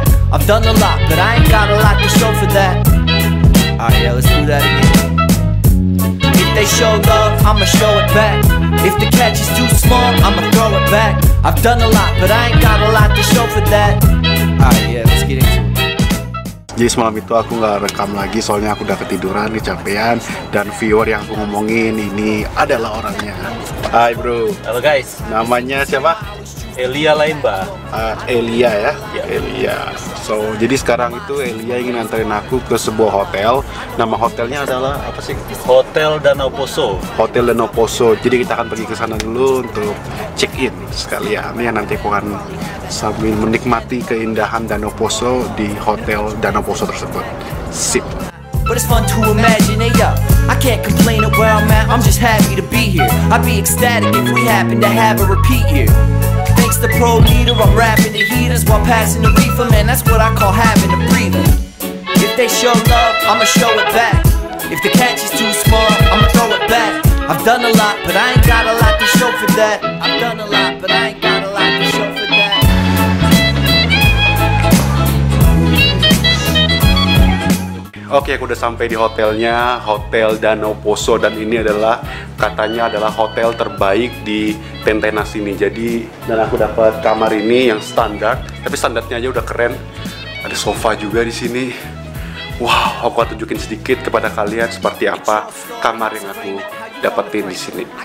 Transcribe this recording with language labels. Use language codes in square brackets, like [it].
[en] I've done a lot, but I ain't got a lot to show for that. Alright, yeah, let's do that again. If they show love, I'ma show it back. If the catch is too small, I'ma throw it back. I've done a lot, but I ain't got a lot to show for that. Alright, yeah, let's get into it. [id] Jadi semalam itu aku gak rekam lagi, soalnya aku udah ketiduran, kecapean. Dan viewer yang aku ngomongin ini adalah orangnya. Hai bro. Halo guys. Namanya siapa? Elia Laimba. Elia ya? Iya. Elia. So, jadi sekarang itu Elia ingin anterin aku ke sebuah hotel. Nama hotelnya adalah apa sih? Hotel Danau Poso. Hotel Danau Poso. Jadi kita akan pergi ke sana dulu untuk check-in sekalian. Ya, nanti aku akan sambil menikmati keindahan Danau Poso di Hotel Danau Poso tersebut. Sip. [en] But it's fun to imagine, hey, yo. I can't complain at where I'm at, I'm just happy to be here. I'd be ecstatic if we happen to have a repeat here. Thanks to Pro Leader, I'm rapping the heaters while passing the reefer, man, that's what I call having a breather. If they show love, I'ma show it back. If the catch is too small, I'ma throw it back. I've done a lot, but I ain't got a lot to show for that. I've done a lot, but I ain't got a lot to show for that. [id] Oke, aku udah sampai di hotelnya, Hotel Danau Poso, dan ini adalah katanya adalah hotel terbaik di Tentenas ini. Jadi, dan aku dapat kamar ini yang standar, tapi standarnya aja udah keren. Ada sofa juga di sini. Wow, aku akan tunjukin sedikit kepada kalian seperti apa kamar yang aku dapetin di sini.